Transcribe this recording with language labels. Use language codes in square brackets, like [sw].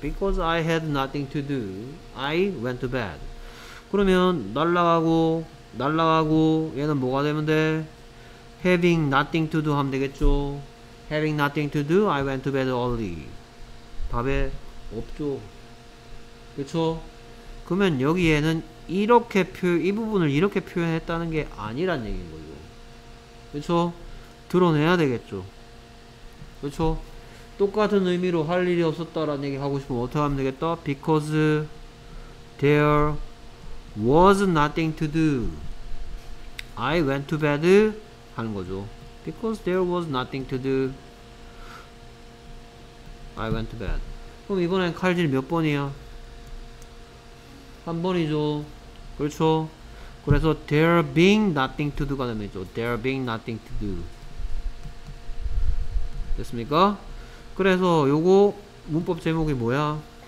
[en] Because I had nothing to do, I went to bed. [ko] 그러면 날라가고 얘는 뭐가 되면 돼? [en] Having nothing to do [ko] 하면 되겠죠? [en] Having nothing to do, I went to bed early. [ko] 답에 없죠. 그쵸? 그러면 여기에는 이렇게 이 부분을 이렇게 표현했다는 게 아니란 얘기인 거죠. 그쵸? 드러내야 되겠죠. 그쵸? 똑같은 의미로 할 일이 없었다라는 얘기 하고 싶으면 어떻게 하면 되겠다? [en] Because there was nothing to do, I went to bed [ko] 하는 거죠. [en] Because there was nothing to do, I went to bed. [ko] 그럼 이번엔 칼질 몇 번이야? 한 번이죠. 그렇죠? 그래서 [en] there being nothing to do [ko] 가 됩니다. [en] There being nothing to do. [ko] 됐습니까? 그래서 요거 문법 제목이 뭐야?